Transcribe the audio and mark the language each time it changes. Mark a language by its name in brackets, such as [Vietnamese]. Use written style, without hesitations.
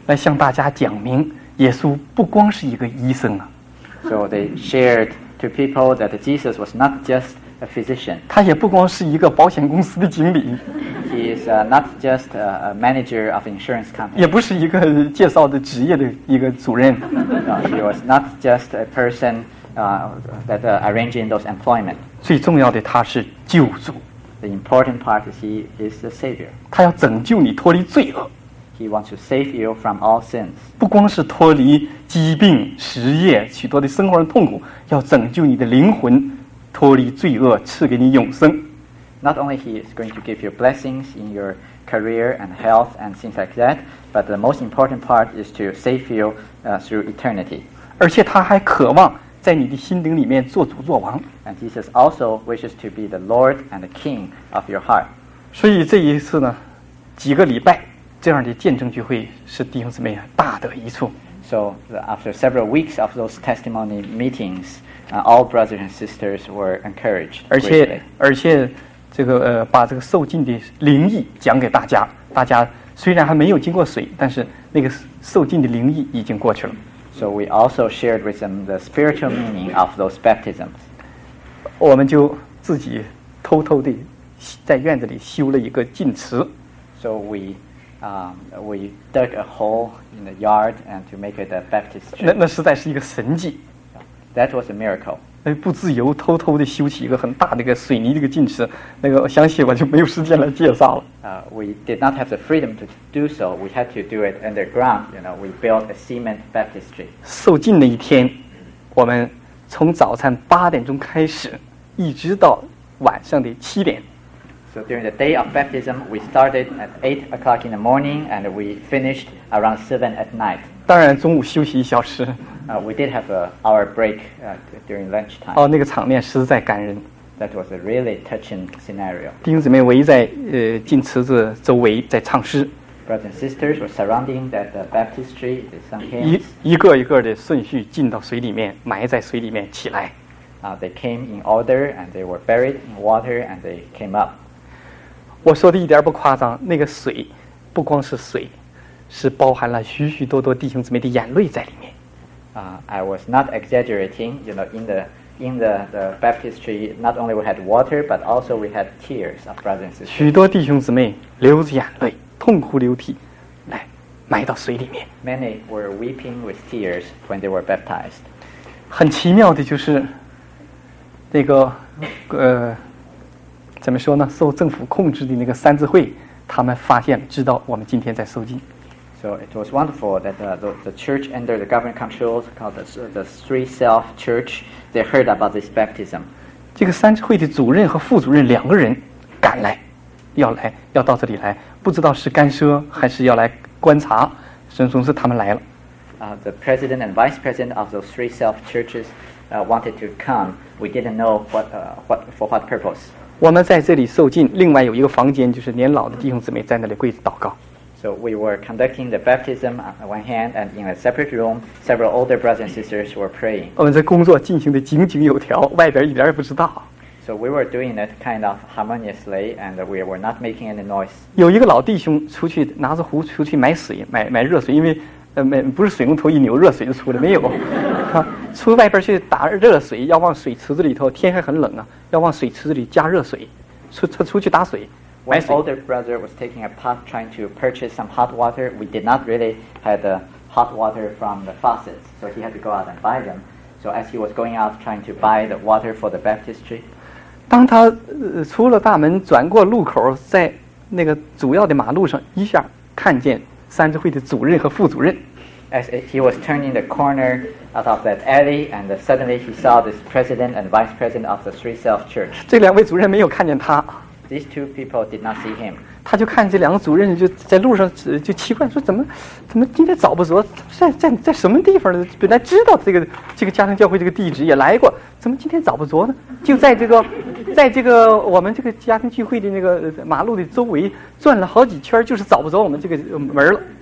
[Chinese] 来向大家讲明耶稣不光是一个医生啊。 [English] So they shared to people that Jesus was not just a physician. [Chinese] 他也不光是一个保险公司的经理。 [English] He is not just a manager of insurance company. [Chinese] 也不是一个介绍的职业的一个主任。 [English] No, he was not just a person arranging those employment. [Chinese] 最重要的他是救主。 [English] The important part is he is the Savior. [Chinese] 他要拯救你脱离罪恶。 [English] He wants to save you from all sins. [Chinese] 不光是脱离疾病、失业、许多的生活的痛苦，要拯救你的灵魂，脱离罪恶，赐给你永生。 [English] Not only he is going to give you blessings in your career and health and things like that, but the most important part is to save you through eternity. [Chinese] 而且他还渴望在你的心灵里面做主做王。 [English] And Jesus also wishes to be the Lord and the King of your heart. [Chinese] 所以这一次呢，几个礼拜这样的见证聚会是弟兄姊妹大得益处。 [English] So after several weeks of those testimony meetings, all brothers and sisters were encouraged. [Chinese] 而且这个把这个受浸的灵意讲给大家，大家虽然还没有经过水，但是那个受浸的灵意已经过去了。 [English] So we also shared with them the spiritual meaning of those baptisms. [Chinese] 我们就自己偷偷地在院子里修了一个浸池。 [English] So we dug a hole in the yard and to make it a baptist tree. [Chinese] 那实在是一个神迹。 [English] That was a miracle. [Chinese] 那不自由偷偷地修起一个很大的一个水泥的一个浸池，那个详细我就没有时间来介绍了。 [English] We did not have the freedom to do so. We had to do it underground. You know, we built a cement baptistry. [Chinese] 受浸那一天，我们从早上8点钟开始，一直到晚上的7点。 [English] So during the day of baptism, we started at 8 o'clock in the morning, and we finished around 7 at night. [Chinese] 当然，中午休息一小时。 [English] We did have an hour break during lunchtime. [Chinese] 那个场面实在感人。 [English] That was a really touching scenario. [Chinese] 弟兄姊妹围在浸池子周围在唱诗。 [English] Brothers and sisters were surrounding that the baptistry. [Chinese] 一个一个的顺序进到水里面，埋在水里面起来。 [English] They came in order and they were buried in water and they came up. [Chinese] 我说的一点不夸张，那个水不光是水，是包含了许许多多弟兄姊妹的眼泪在里面。 [English] I was not exaggerating, you know, in the baptistry, not only we had water, but also we had tears of brothers and sisters. [Chinese] 许多弟兄姊妹流着眼泪，痛哭流涕，来埋到水里面。 [English] Many were weeping with tears when they were baptized. [Chinese] 很奇妙的就是，那个怎么说呢？受政府控制的那个三字会，他们发现知道我们今天在受浸。 [English] So it was wonderful that the church under the government controls called the Three Self Church, they heard about this baptism. [Chinese] 这个三支会的主任和副主任两个人赶来，要到这里来，不知道是干涉还是要来观察，总之他们来了。 [English] The president and vice president of those Three Self Churches wanted to come. We didn't know what purpose. [Chinese] 我们在这里受浸，另外有一个房间，就是年老的弟兄姊妹在那里跪着祷告。 [English] So we were conducting the baptism on the one hand, and in a separate room, several older brothers and sisters were praying. [Chinese] 我们这工作进行的井井有条，外边一点也不知道。 [English] So we were doing it kind of harmoniously, and we were not making any noise. [Chinese] 有一个老弟兄出去拿着壶出去买水，买热水，因为不是水龙头一扭热水就出来，没有。出外边去打热水，要往水池子里头，天还很冷啊，要往水池子里加热水，出去打水。 [English] My older brother was taking a pot trying to purchase some hot water. We did not really have the hot water from the faucets, so he had to go out and buy them. So as he was going out trying to buy the water for the baptistry, [Chinese] 当他出了大门，转过路口，在那个主要的马路上，一下看见三支会的主任和副主任。 [English] As he was turning the corner out of that alley, and suddenly he saw this president and vice president of the Three Self Church. [Chinese] 这两位主任没有看见他。 [English] These two people did not see him. [Chinese] 他就看这两个主任就在路上就奇怪说怎么今天找不着在什么地方呢？本来知道这个家庭教会这个地址也来过，怎么今天找不着呢？就在这个我们这个家庭聚会的那个马路的周围转了好几圈，就是找不着我们这个门了。